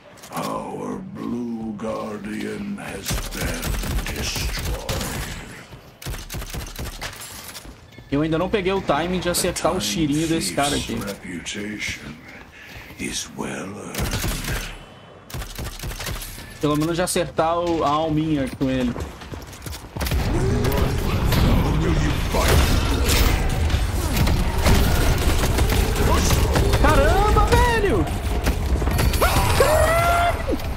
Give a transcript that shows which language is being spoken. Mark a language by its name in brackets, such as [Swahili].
[English] Our blue guardian has been destroyed. [Portuguese] Eu ainda não peguei o timing de acertar o cheirinho desse cara aqui. [English] Reputation is well earned. [Portuguese] Pelo menos já acertar a alminha com ele. Caramba, velho! Caramba!